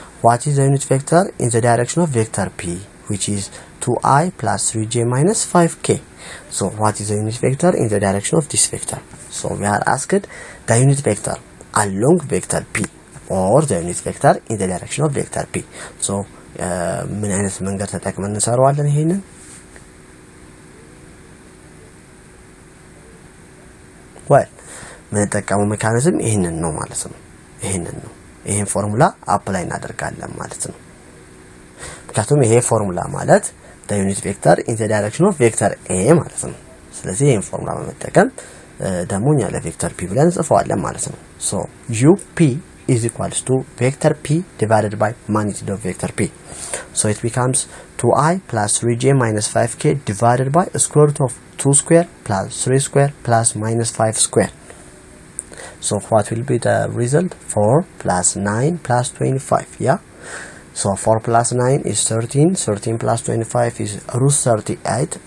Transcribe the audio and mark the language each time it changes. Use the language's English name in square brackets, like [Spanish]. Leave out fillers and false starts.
[English] What is the unit vector in the direction of vector P, which is 2i plus 3j minus 5k? So what is the unit vector in the direction of this vector? So we are asked the unit vector along vector P, or the unit vector in the direction of vector P. [Amharic] So ምን አይነት መንገድ ተጠቅመን እንሰራዋለን ይሄንን? ወይ ምን ተጠቀመው መካኒዝም ይሄንን ነው ማለት ነው። ይሄን ፎርሙላ አፕላይ እናደርጋለን ማለት ነው። ምክንያቱም ይሄ ፎርሙላ ማለት [English] the unit vector in the direction of vector A [Amharic] ማለት ነው። ስለዚህ ይሄን ፎርሙላ መጠቀም ደግሞ እኛ ለvector P ብለን ጽፈዋለን ማለት ነው። [English] So UP is equal to vector p divided by magnitude of vector p. So it becomes 2i plus 3j minus 5k divided by square root of 2 square plus 3 square plus minus 5 square. So what will be the result? 4 plus 9 plus 25, yeah? So 4 plus 9 is 13, 13 plus 25 is root 38.